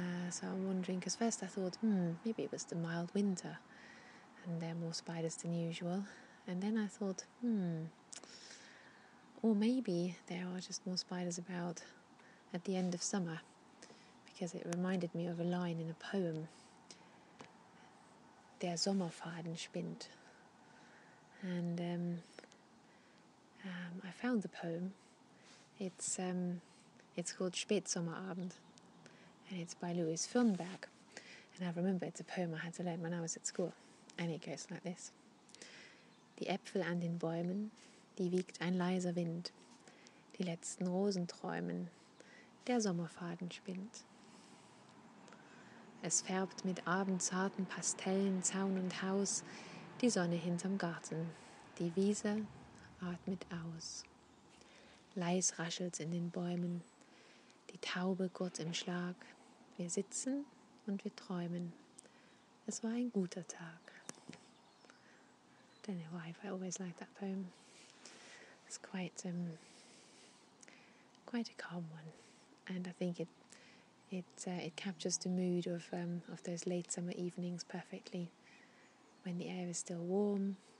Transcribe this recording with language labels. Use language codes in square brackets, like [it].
[en] So I'm wondering, because first I thought, maybe it was the mild winter, and there are more spiders than usual. And then I thought, or maybe there are just more spiders about at the end of summer, because it reminded me of a line in a poem. [de] Der Sommer fährt und spinnt. [en] And I found the poem. It's called Spätsommerabend, and it's by Louis Firnberg. And I remember it's a poem I had to learn when I was at school. And it goes like this. [de] Die Äpfel an den Bäumen, die wiegt ein leiser Wind. Die letzten Rosen träumen, der Sommerfaden spinnt. Es färbt mit abendzarten Pastellen Zaun und Haus, die Sonne hinterm Garten, die Wiese atmet aus. Leis raschelt's in den Bäumen, die Taube gurrt im Schlag. Wir sitzen und wir träumen. Es war ein guter Tag. [en] Don't know why, but I always like that poem. It's quite a calm one, and I think it captures the mood of those late summer evenings perfectly, when the air is still warm.